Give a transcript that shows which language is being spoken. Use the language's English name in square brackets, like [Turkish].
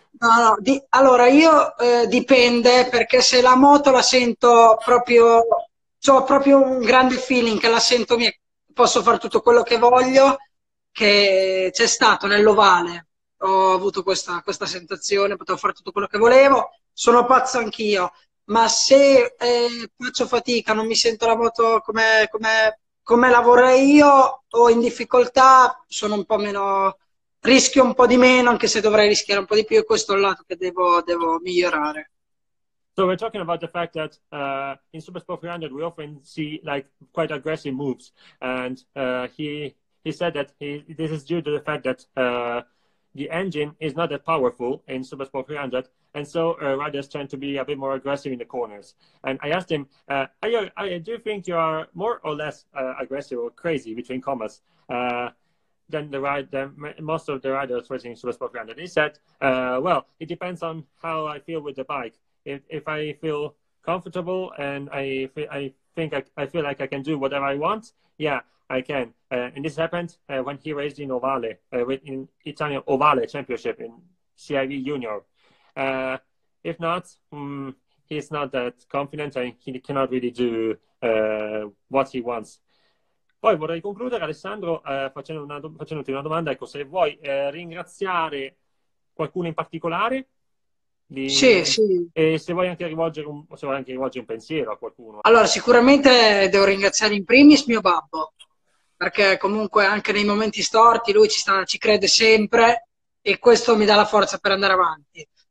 [Italian] no, allora io dipende perché se la moto la sento proprio, ho proprio un grande feeling che la sento mia, posso fare tutto quello che voglio, che c'è stato nell'ovale, ho avuto questa sensazione, potevo fare tutto quello che volevo, sono pazzo anch'io, ma se faccio fatica, non mi sento la moto come la vorrei io, o in difficoltà, sono un po' meno. Rischio un po' di meno, anche se dovrei rischiare un po' di più, e questo è il lato che devo migliorare. [English] So we're talking about the fact that in Supersport 300 we often see like quite aggressive moves, and he said that this is due to the fact that the engine is not that powerful in Supersport 300, and so riders tend to be a bit more aggressive in the corners. And I asked him, do you think you are more or less aggressive or crazy between commas than most of the riders racing in Supersport 300? He said, well, it depends on how I feel with the bike. If I feel comfortable and I feel like I can do whatever I want, I can. And this happened when he raced in Ovale, in Italian Ovale Championship in CIV Junior. If not, he's not that confident and he cannot really do what he wants. [Italian] Poi vorrei concludere, Alessandro, facendoti una domanda. Ecco, se vuoi ringraziare qualcuno in particolare, e se vuoi anche rivolgere un pensiero a qualcuno. Allora, sicuramente devo ringraziare in primis mio babbo, perché comunque anche nei momenti storti lui ci crede sempre, e questo mi dà la forza per andare avanti.